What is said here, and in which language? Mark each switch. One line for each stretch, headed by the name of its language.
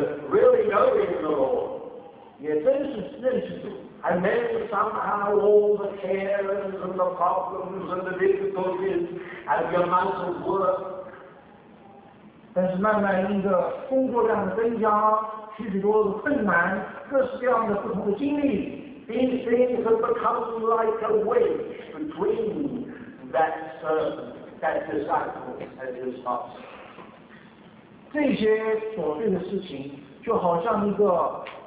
English: really knowing the Lord，
Chinese: 也真是认识主。
English: And then somehow all the cares and the problems and the difficulties and the amount of work.
Chinese: 但是慢慢一个工作量的增加，许许多多的困难，各式各样的不同的经历，
English: these things have become like a wedge between that that disciple and his master.
Chinese: 这些琐碎的事情就好像一个。